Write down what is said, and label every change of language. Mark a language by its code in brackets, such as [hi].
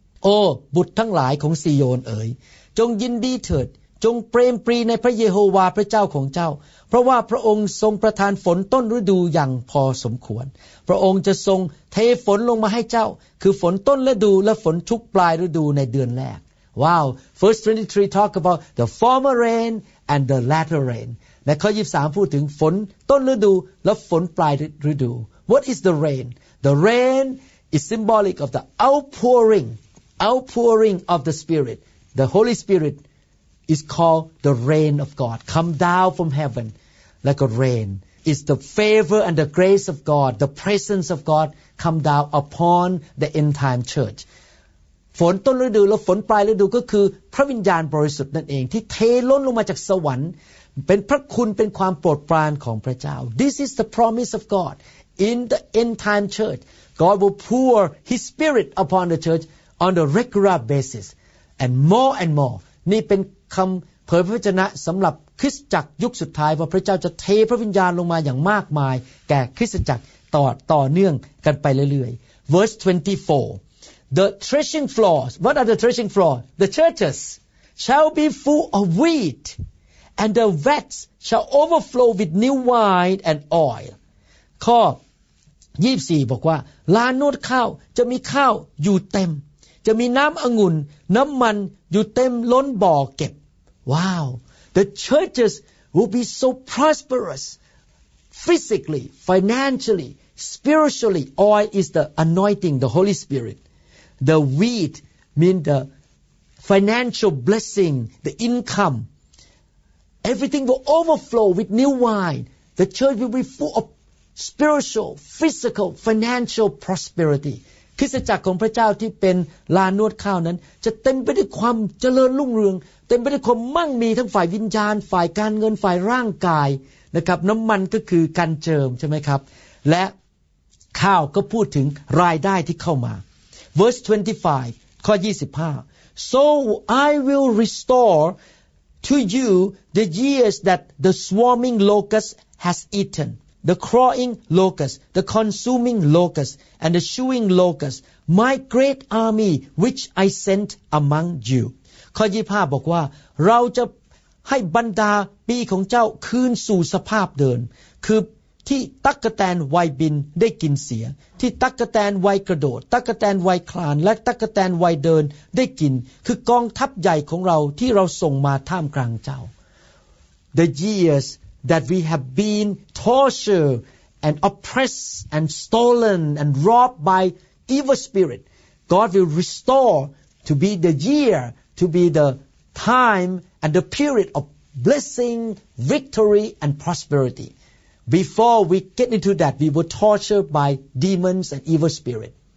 [th] โอ้บุตรทั้งหลายของซิโยนเอ๋ยจงยินดีเถิดจงเปรมปรีในพระเยโฮวาห์พระเจ้าของเจ้าเพราะว่าพระองค์ทรงประทานฝนต้นฤดูอย่างพอสมควรพระองค์จะทรงเทฝนลงมาให้เจ้าคือฝนต้นฤดูและฝนทุกปลายฤดูในเดือนแรกว้าว [en] First 23 talk about the former rain and the latter rain. [th] และข้อ23พูดถึงฝนต้นฤดูและฝนปลายฤดู [en] What is the rain? The rain is symbolic of the outpouring of the Spirit. The Holy Spirit is called the rain of God. Come down from heaven like a rain. It's the favor and the grace of God, the presence of God come down upon the end time church. [th] ฝนต้นฤดูและฝนปลายฤดูก็คือพระวิญญาณบริสุทธิ์นั่นเองที่เทล้นลงมาจากสวรรค์เป็นพระคุณเป็นความโปรดปรานของพระเจ้า [en] This is the promise of God. In the end time church, God will pour His Spirit upon the church on a regular basis, and more and more. [th] นี่เป็นคำเผยพระวจนะสำหรับคริสตจักรยุคสุดท้ายว่าพระเจ้าจะเทพระวิญญาณลงมาอย่างมากมายแก่คริสตจักรต่อเนื่องกันไปเรื่อยๆ [en] Verse 24, the threshing floors. What are the threshing floors? The churches shall be full of wheat, and the vats shall overflow with new wine and oil. [th] ข้อ24บอกว่าลานโนดข้าวจะมีข้าวอยู่เต็มจะมีน้ำองุ่นน้ำมันอยู่เต็มล้นบ่อเก็บว้าว [en] The churches will be so prosperous physically financially spiritually oil is the anointing the Holy Spirit the wheat mean the financial blessing the income everything will overflow with new wine the church will be full ofspiritual physical financial prosperity [th] คริสตจักรของพระเจ้าที่เป็นลานวดข้าวนั้นจะเต็มไปด้วยความเจริญรุ่งเรืองเต็มไปด้วยความมั่งมีทั้งฝ่ายวิญญาณฝ่ายการเงินฝ่ายร่างกายนะครับน้ำมันก็คือการเจิมใช่ไหมครับและข้าวก็พูดถึงรายได้ที่เข้ามา [en] verse 25 [th] ข้อ25 [en] so I will restore to you the years that the swarming locust has eaten the crawling locust the consuming locust and the chewing locust my great army which I sent among you [th] ข้อ25บอกว่าเราจะให้บรรดาปีของเจ้าคืนสู่สภาพเดิมคือที่ตั กแตนวัยบินได้กินเสียที่ตั กแตนวัยกระโดดตั กแตนวัยคลานและตั กแตนวัยเดินได้กินคือกองทัพใหญ่ของเราที่เราส่งมาท่ามกลางเจ้า [en] The years that we have been tortured and oppressed and stolen and robbed by evil spirit God will restore to be the year to be the time and the period of blessing victory and prosperityBefore we get into that, we were tortured by demons and evil spirit.